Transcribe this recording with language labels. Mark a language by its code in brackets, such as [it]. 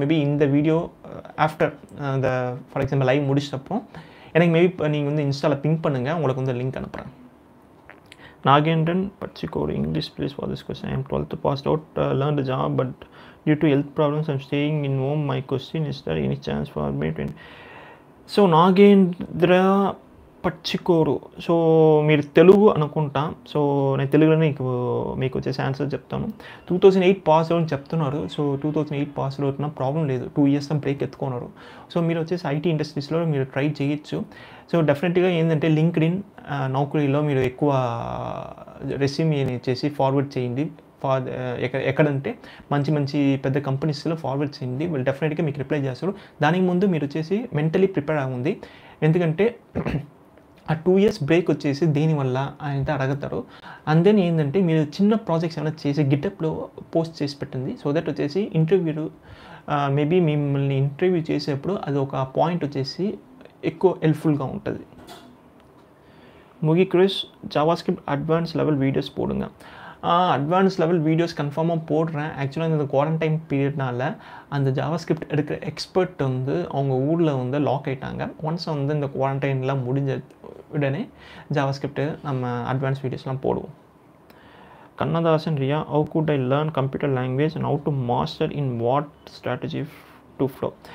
[ta] Maybe இந்த video after இந்த for example live முடிச்சப்போ எனக்கு மேபி இப்போ நீங்கள் வந்து இன்ஸ்டாவில் பிங்க் பண்ணுங்கள், உங்களுக்கு வந்து லிங்க் அனுப்புகிறேன். [en] Nagendran Pachikodu, English please for this question. I am 12th pass out, learn to job but due to health problems I'm staying in home. My question is there any chance for me to? [te] So Nagendra பச்சிக்கோரு, so మీరు తెలుగు అనుకుంటాం, so నేను తెలుగులోనే మీకు మీకు వచ్చేసి answer చెప్తాను. 2008 pass out అని చెప్తున్నారు. సో 2008 పాస్ అవుట్ అవుతున్నా ప్రాబ్లం లేదు, 2 ఇయర్స్ దాని బ్రేక్ ఎత్తుకున్నారు. సో మీరు వచ్చేసి ఐటీ ఇండస్ట్రీస్లో మీరు ట్రై చేయొచ్చు. సో డెఫినెట్గా ఏంటంటే, లింక్డ్ఇన్ నౌకరీలో మీరు ఎక్కువ రెస్యూమ్ని చేసి ఫార్వర్డ్ చేయండి. ఎక్కడంటే మంచి మంచి పెద్ద కంపెనీస్లో ఫార్వర్డ్ చేయండి, వీళ్ళు డెఫినెట్గా మీకు రిప్లై చేస్తారు. దానికి ముందు మీరు వచ్చేసి మెంటలీ ప్రిపేర్ అవుంది, ఎందుకంటే ఆ 2 ఇయర్స్ బ్రేక్ వచ్చేసి దీనివల్ల అయితే అడగతారు. అందుకని ఏంటంటే, మీరు చిన్న ప్రాజెక్ట్స్ ఏమైనా చేసి గిట్హబ్లో పోస్ట్ చేసి పెట్టండి. సో దట్ వచ్చేసి ఇంటర్వ్యూ, మేబీ మిమ్మల్ని ఇంటర్వ్యూ చేసేప్పుడు అది ఒక పాయింట్ వచ్చేసి ఎక్కువ హెల్ప్ఫుల్గా ఉంటుంది. [en] Mugi Krish, JavaScript advance level videos పోడుంగ. [ta] Advance level videos கன்ஃபார்மாக போடுறேன். ஆக்சுவலாக இந்த குவாரண்டைன் பீரியட்னால அந்த ஜாவாஸ்கிரிப்ட் எடுக்கிற எக்ஸ்பர்ட் வந்து அவங்க ஊரில் வந்து லாக் ஆகிட்டாங்க. ஒன்ஸ் வந்து இந்த குவாரண்டைன்லாம் முடிஞ்ச உடனே ஜாவாஸ்கிரிப்ட் நம்ம அட்வான்ஸ் வீடியோஸ்லாம் போடுவோம். [en] Kannadasan Riya, how good I learn computer language and how to master in what strategy to flow?